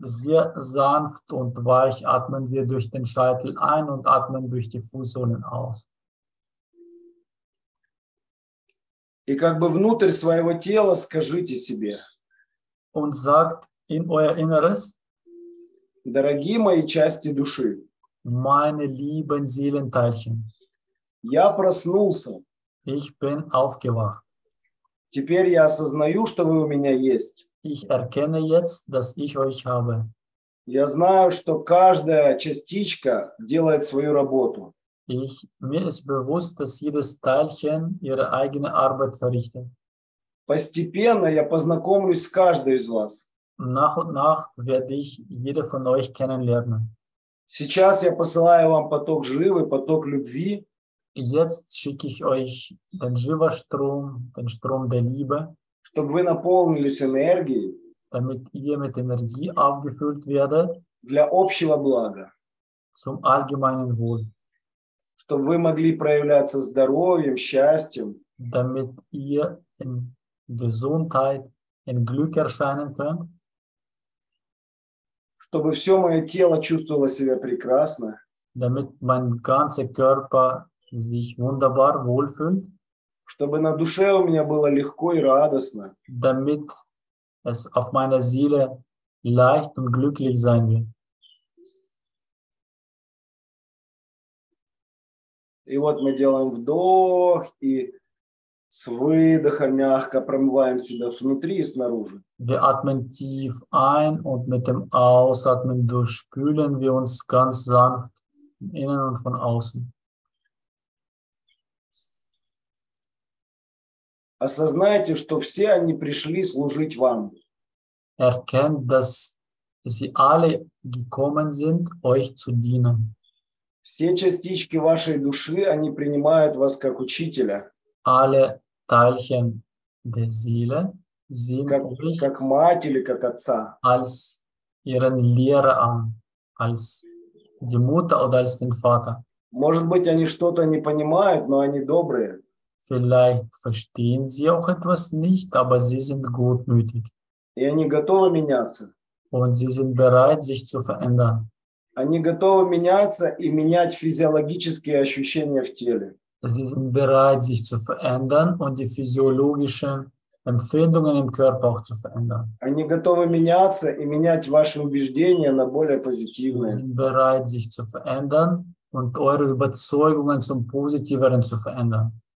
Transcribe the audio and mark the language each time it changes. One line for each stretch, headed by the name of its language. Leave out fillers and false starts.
German: Sehr sanft und weich atmen wir durch den Scheitel ein und atmen durch die Fußsohlen aus.
Russian: И как бы внутрь своего тела скажите себе.
German: Und sagt in euer Inneres.
Russian: Дорогие мои части души.
German: Meine lieben Seelenteilchen.
Russian: Я проснулся.
German: Ich bin aufgewacht.
Russian: Теперь я осознаю, что вы у меня есть.
German: Ich erkenne jetzt, dass ich euch habe.
Russian: Я знаю, что каждая частичка делает свою работу.
German: Mir ist bewusst, dass jedes Teilchen ihre eigene Arbeit verrichtet.
Russian: Постепенно я познакомлюсь с каждой из вас.
German: Nach und nach werde ich jede von euch kennenlernen.
Russian: Сейчас я посылаю вам поток живы, поток любви.
German: Jetzt schicke ich euch den Jiva-Strom, den Strom der Liebe,
Russian: чтобы вы наполнились энергией,
German: damit ihr mit Energie aufgefüllt werdet,
Russian: для общего блага,
German: zum allgemeinen Wohl,
Russian: чтобы вы могли проявляться здоровьем, счастьем,
German: damit ihr in Gesundheit, in Glück erscheinen könnt,
Russian: чтобы все мое тело чувствовало себя прекрасно,
German: damit mein ganzer Körper sich wunderbar wohlfühlt,
Russian: чтобы на душе у меня было легко и радостно,
German: damit es auf meiner Seele leicht und glücklich sein wird.
Russian: И вот мы делаем вдох и с выдохом мягко промываем себя внутри и снаружи.
German: Wir atmen tief ein und mit dem Ausatmen durchspülen wir uns ganz sanft von innen und von außen.
Russian: Осознайте, что все они пришли служить вам.
German: Erkennt, dass sie alle gekommen sind, euch zu dienen.
Russian: Все частички вашей души, они принимают вас как учителя.
German: Alle Teilchen der Seele sehen euch
Russian: как мать или как отца.
German: Als ihren Lehrer an, als die Mutter oder als den Vater.
Russian: Может быть, они что-то не понимают, но они добрые.
German: Vielleicht verstehen sie auch etwas nicht, aber sie sind gutmütig.
Russian: И они готовы меняться.
German: Und sie sind bereit, sich zu verändern.
Russian: Они готовы меняться и менять физиологические ощущения в теле.
German: Sie sind bereit, sich zu verändern und die physiologischen Empfindungen im Körper auch zu verändern.
Russian: Они готовы меняться и менять ваши убеждения на более позитивные.
German: Sie sind bereit, sich zu verändern und eure Überzeugungen zum Positiveren zu verändern.